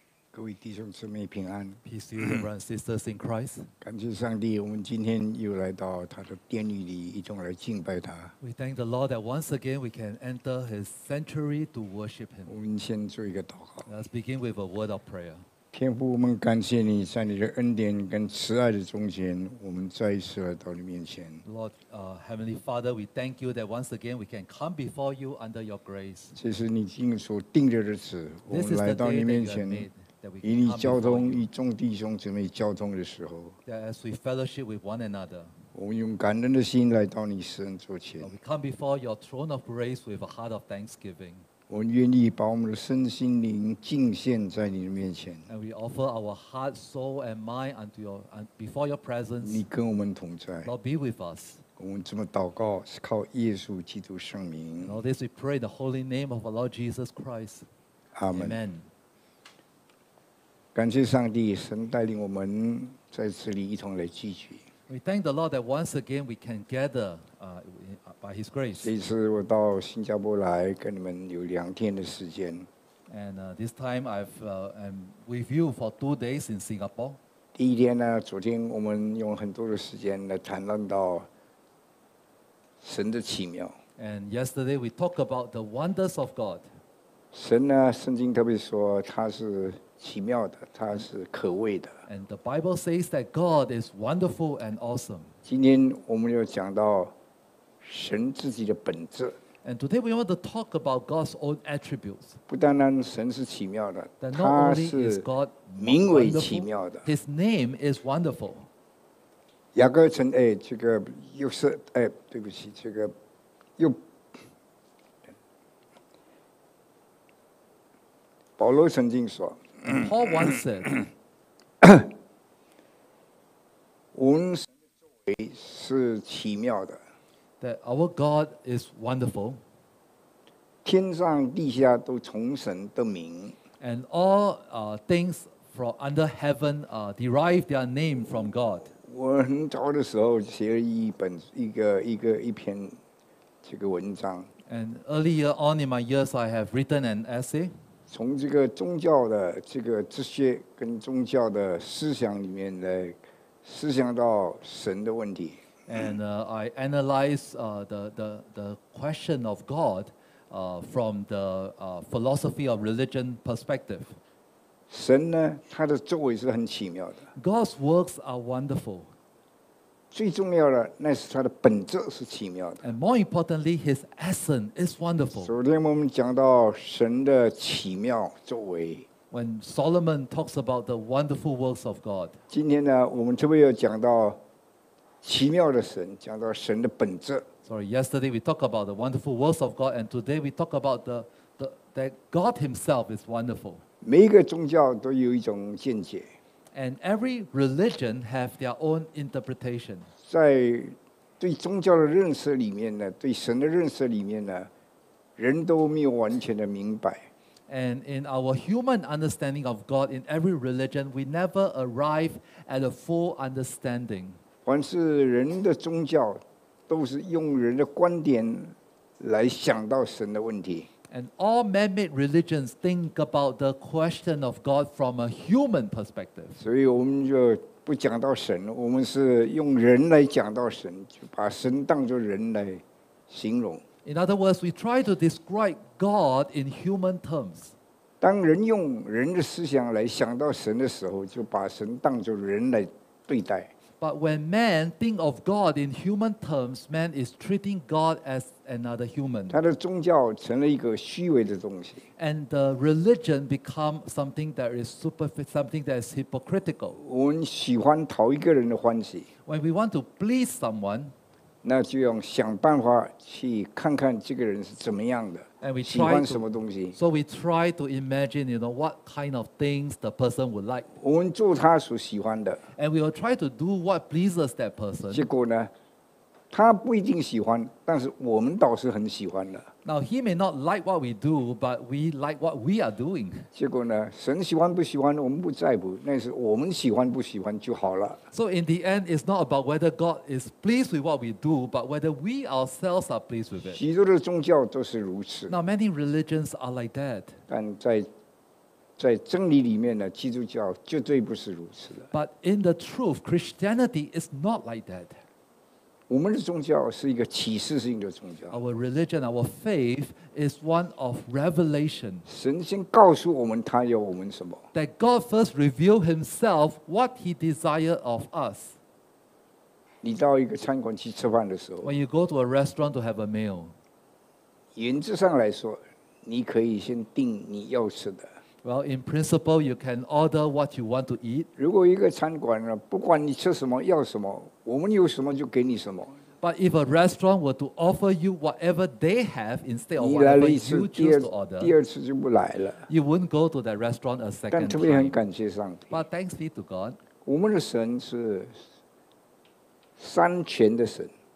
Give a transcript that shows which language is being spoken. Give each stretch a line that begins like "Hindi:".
Chinese: 各位弟兄姊妹平安。
English: Peace to you, brothers and sisters in Christ.
Chinese: 感谢上帝，我们今天又来到他的殿宇里，一同来敬拜他。
English: We thank the Lord that once again we can enter His sanctuary to worship Him.
Chinese: 我们先做一个祷告。
English: Let's begin with a word of prayer.
Chinese: 天父，我们感谢你，在你的恩典跟慈爱的中间，我们再一次来到你面前。
English: Lord, Heavenly Father, we thank you that once again we can come before you under your grace.
Chinese: 这是你今天所定的日子，我们来到你面前。与你交通，与众弟兄姊妹交通的时候，
English: as we fellowship with one another,
Chinese: 我们用感恩的心来到你施恩座前。
English: We come before your throne of grace with a heart of thanksgiving.
Chinese: 我们愿意把我们的身心灵敬献在你的面前。
English: And we offer our heart, soul, and mind unto your before your presence.
Chinese: 你跟我们同在。
English: Lord, be with us.
Chinese: 我们这么祷告是靠耶稣基督圣名。
English: All this we pray in the holy name of our Lord Jesus Christ. Amen. Amen.
Chinese: 感谢上帝，神带领我们在这里一同来聚聚。
English: We thank the Lord that once again we can gather, by His grace.
Chinese: 这次我到新加坡来，跟你们有两天的时间。
English: And this time I'm with you for 2 days in Singapore.
Chinese: 第一天呢，昨天我们用很多的时间来谈论到神的奇妙。
English: And yesterday we talked about the wonders of God.
Chinese: 神呢，圣经特别说他是。奇妙的，他是可畏的。
English: And the Bible says that God is wonderful and awesome.
Chinese: 今天我们要讲到神自己的本质。
English: And today we want to talk about God's own attributes.
Chinese: 不单单神是奇妙的，他是名为奇妙的。
English: His name is wonderful.
Chinese: 雅各城，哎，这个又是，哎，对不起，这个又。保罗曾经说。
English: Paul once said,
Chinese: 我们神的作为是奇妙的。
English: That our God is wonderful.
Chinese: 天上地下都从神得名。
English: And all things from under heaven derive their name from God.
Chinese: 我很早的时候写了一本一篇这个文章。
English: And earlier on in my years, I have written an essay.
Chinese: 从这个宗教的这个哲学跟宗教的思想里面来思想到神的问题。
English: And I analyze the question of God from the philosophy of religion perspective.
Chinese: 神呢，他的作为是很奇妙的。
English: God's works are wonderful.
Chinese: 最重要的那是他的本质是奇妙的。
English: And more importantly, His essence is wonderful.
Chinese: 昨天我们讲到神的奇妙作为。
English: When Solomon talks about the wonderful works of God.
Chinese: 今天呢，我们特别要讲到奇妙的神，讲到神的本质。
English: Sorry, yesterday we talked about the wonderful works of God, and today we talk about that God Himself is wonderful.
Chinese: 每一个宗教都有一种见解。
English: And every religion has their own interpretation.
Chinese: 在对宗教的认识里面呢，对神的认识里面呢，人都没有完全的明白。
English: And in our human understanding of God, in every religion, we never arrive at a full understanding.
Chinese: 凡是人的宗教，都是用人的观点来想到神的问题。
English: And all man-made religions think about the question of God from a human perspective.
Chinese: 所以我们就不讲到神，我们是用人来讲到神，就把神当作人来形容。
English: In other words, we try to describe God in human terms.
Chinese: 当人用人的思想来想到神的时候，就把神当作人来对待。
English: But when man think of God in human terms, man is treating God as another human.
Chinese: 他的宗教成了一个虚伪的东西。
English: And the religion become something that is superficial, something that is hypocritical.
Chinese: 我们喜欢讨一个人的欢喜。
English: When we want to please someone,
Chinese: 那就用想办法去看看这个人是怎么样的。
English: And we try
Chinese: 喜欢什么东西。
English: So we try to imagine, you know, what kind of things the person would like.
Chinese: 我们做他所喜欢的。
English: And we will try to do what pleases that person.
Chinese: 结果呢，他不一定喜欢，但是我们倒是很喜欢的。
English: Now he may not like what we do, but we like what we are doing.
Chinese: 结果呢，神喜欢不喜欢我们不在乎，那是我们喜欢不喜欢就好了。
English: So in the end, it's not about whether God is pleased with what we do, but whether we ourselves are pleased with it.
Chinese: 许多的宗教都是如此。
English: Now many religions are like that.
Chinese: 但在在真理里面呢，基督教绝对不是如此的。
English: But in the truth, Christianity is not like that.
Chinese: 我们的宗教是一个启示性的宗教。
English: Our religion, our faith is one of revelation.
Chinese: 神先告诉我们他要我们什么。
English: That God first revealed Himself what He desired of us.
Chinese: 你到一个餐馆去吃饭的时候
English: ，When you go to a restaurant to have a meal，
Chinese: 原则上来说，你可以先定你要吃的。
English: Well, in principle, you can order what you want to eat.
Chinese: 如果一个餐馆呢，不管你吃什么，要什么，我们有什么就给你什么。
English: But if a restaurant were to offer you whatever they have instead of whatever you choose to order,
Chinese: 第二次就不来了。
English: You wouldn't go to that restaurant a second time.
Chinese: 但特别很感谢上帝。
English: But thanks be to God.
Chinese: 我们的神是三全的神。